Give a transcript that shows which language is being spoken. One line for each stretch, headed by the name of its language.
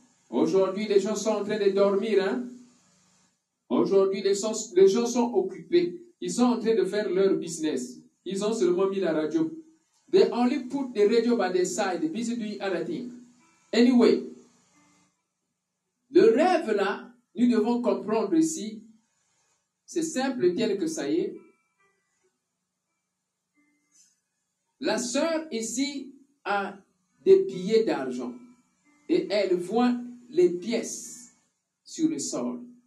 French: Aujourd'hui, les gens sont en train de dormir, hein? Aujourd'hui, les gens sont occupés. Ils sont en train de faire leur business. Ils ont seulement mis la radio.
English: They only put the radio by their side, busy doing other things.
French: Anyway, le rêve là, nous devons comprendre ici, c'est simple tel que ça y est. La sœur ici a des billets d'argent et elle voit les pièces sur le sol.